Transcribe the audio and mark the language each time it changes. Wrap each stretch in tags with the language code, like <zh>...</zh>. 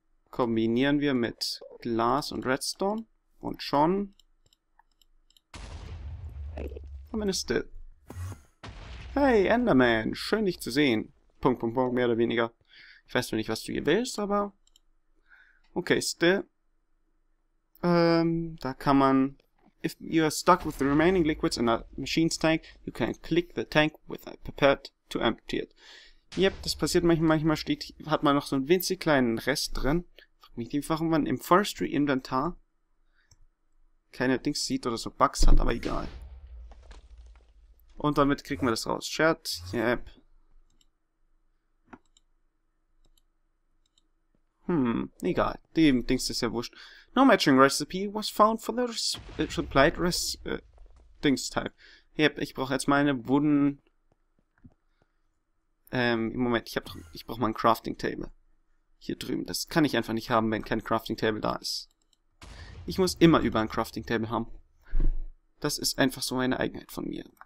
<de>Kombinieren wir mit Glas und Redstone. Und schon haben wir eine Still. Hey, Enderman, schön dich zu sehen. Punkt, Punkt, Punkt, mehr oder weniger. Ich weiß noch nicht, was du hier willst, aber. Okay, Still. Da kann man.</de> <en>If you are stuck with the remaining liquids in a machine's tank, you can click the tank with a prepared to empty it.</en> <de>Yep, das passiert manchmal. Manchmal steht, hat man noch so einen winzig kleinen Rest drin. Frag mich nicht, warum man im Forestry-Inventar keine Dings sieht oder so Bugs hat, aber egal. Und damit kriegen wir das raus. Shared, yep. Egal. Dem Dings ist ja wurscht.</de> <en>No matching recipe was found for the supplied Dings type.</en> <de>Yep, ich brauche jetzt meine Wooden. Moment, ich brauche mein Crafting Table. Hier drüben. Das kann ich einfach nicht haben, wenn kein Crafting Table da ist. Ich muss immer über ein Crafting Table haben. Das ist einfach so eine Eigenheit von mir.</de>